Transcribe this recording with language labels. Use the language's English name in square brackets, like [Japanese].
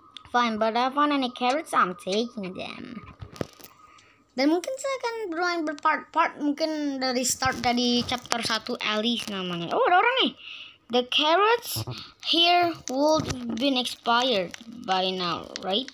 [English] Fine, but I found any carrots, I'm taking them. [Indonesian] Dan mungkin saya akan bermain berpart-part mungkin dari start dari chapter 1 Alice namanya. Oh, ada orang nih. [English] The carrots here would been expired by now, right?